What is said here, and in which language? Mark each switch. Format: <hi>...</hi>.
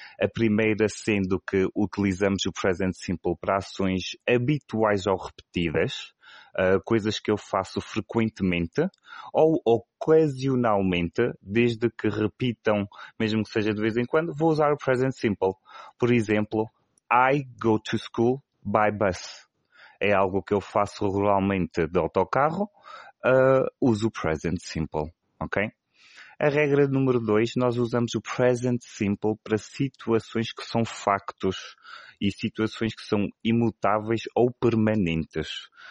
<pt>A primeira sendo que utilizamos o present simple para ações habituais ou repetidas, coisas que eu faço frequentemente ou ocasionalmente, desde que repitam, mesmo que seja de vez em quando, vou usar o present simple. Por exemplo,</pt> <en>I go to school by bus.</en> <pt>É algo que eu faço regularmente de autocarro. Uso o present simple, ok? A regra número 2, nós usamos o present simple para situações que são factos e situações que são imutáveis ou permanentes.</pt>